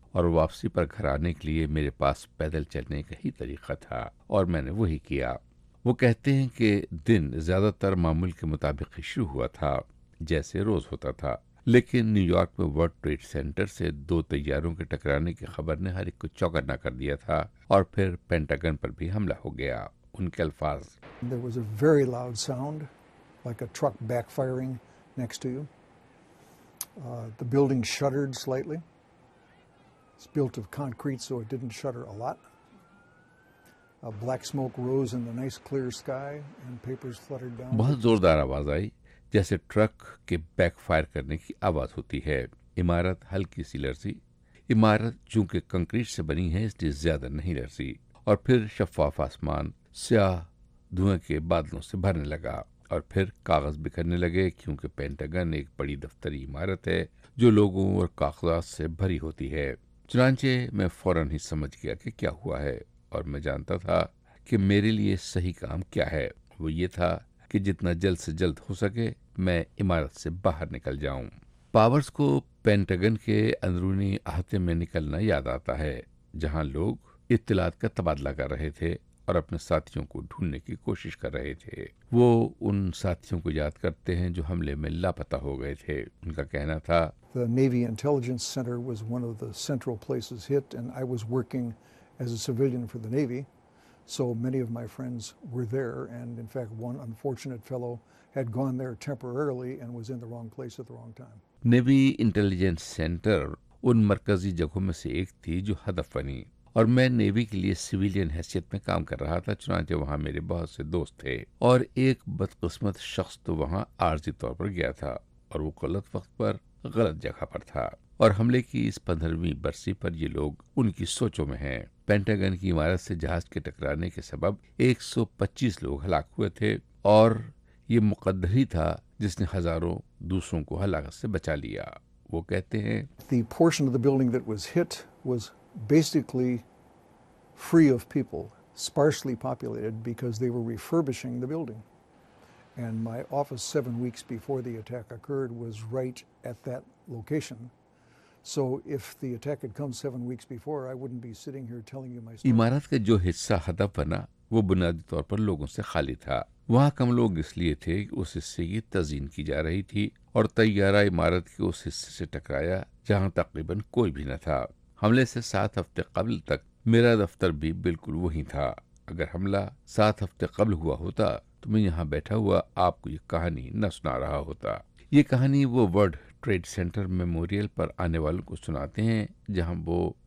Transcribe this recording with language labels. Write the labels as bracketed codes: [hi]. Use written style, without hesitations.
[ur] اور واپسی پر گھر آنے کے لیے میرے پاس پیدل چلنے کا ہی طریقہ تھا اور میں نے وہی کیا۔ وہ کہتے ہیں کہ دن زیادہ تر معمول کے مطابق شروع ہوا تھا جیسے روز ہوتا تھا، لیکن نیو یارک میں ورلڈ ٹریڈ سینٹر سے دو طیاروں کے ٹکرانے کی خبر نے ہر ایک کو چوکنا کر دیا تھا اور پھر پینٹاگن پر بھی حملہ ہو گیا۔ ان کے الفاظ، [en] There was a very loud sound, like a truck backfiring next to you. The building shuddered slightly. It's built of concrete, so it didn't shudder a lot. A black smoke rose in the nice clear sky and papers fluttered down. [ur] بہت زوردار آواز آئی، جیسے truck کے back fire کرنے کی آواز ہوتی ہے۔ عمارت ہلکی سی لرزی، عمارت چونکہ کنکریٹ سے بنی ہے اس لیے زیادہ نہیں لرزی، اور پھر شفاف آسمان سیاہ دھوئیں کے بادلوں سے بھرنے لگا، اور پھر کاغذ بکھرنے لگے، کیونکہ پینٹاگن ایک بڑی دفتری عمارت ہے جو لوگوں اور کاغذات سے بھری ہوتی ہے۔ چنانچہ میں فوراً ہی سمجھ گیا کہ کیا ہوا ہے، اور میں جانتا تھا کہ میرے لیے صحیح کام کیا ہے۔ وہ یہ تھا کہ جتنا جلد سے جلد ہو سکے میں عمارت سے باہر نکل جاؤں۔ پاورز کو پینٹاگن کے اندرونی احاطے میں نکلنا یاد آتا ہے، جہاں لوگ اطلاعات کا تبادلہ کر رہے تھے اور اپنے ساتھیوں کو ڈھونڈنے کی کوشش کر رہے تھے۔ وہ ان ساتھیوں کو یاد کرتے ہیں جو حملے میں لاپتہ ہو گئے تھے۔ ان کا کہنا تھا، [en] The Navy Intelligence Center was one of the central places hit and I was working as a civilian for the Navy. So many of my friends were there and in fact one unfortunate fellow had gone there temporarily and was in the wrong place at the wrong time. [ur] Navy Intelligence Center ان مرکزی جگہوں میں سے ایک تھی جو ہدف بنی، اور میں نیوی کے لیے سویلین حیثیت میں کام کر رہا تھا، چنانچہ وہاں میرے بہت سے دوست تھے، اور ایک بدقسمت شخص تو وہاں عارضی طور پر گیا تھا اور وہ غلط وقت پر غلط جگہ پر تھا، اور حملے کی اس 15ویں برسی پر یہ لوگ ان کی سوچوں میں ہیں۔ پینٹاگن کی عمارت سے جہاز کے ٹکرانے کے سبب 125 لوگ ہلاک ہوئے تھے، اور یہ مقدر ہی تھا جس نے ہزاروں دوسروں کو ہلاکت سے بچا لیا۔ وہ کہتے ہیں، [en] The portion of the building that was hit was basically free of people, sparsely populated because they were refurbishing the building. And my office 7 weeks before the attack occurred was right at that location. So if the attack had come 7 weeks before, I wouldn't be sitting here telling you my story. [ur] عمارت کا جو حصہ ہدف بنا وہ بنیادی طور پر لوگوں سے خالی تھا۔ وہاں کم لوگ اس لیے تھے کہ اس حصے کی تزئین کی جا رہی تھی، اور طیارہ عمارت کے اس حصے سے ٹکرایا جہاں تقریباً کوئی بھی نہ تھا۔ حملے سے 7 ہفتے قبل تک میرا دفتر بھی بالکل وہی تھا۔ اگر حملہ 7 ہفتے قبل ہوا ہوتا تو میں یہاں بیٹھا ہوا آپ کو یہ کہانی نہ سنا رہا ہوتا۔ یہ کہانی وہ ورلڈ ٹریڈ سینٹر میموریل پر آنے والوں کو سناتے ہیں، جہاں وہ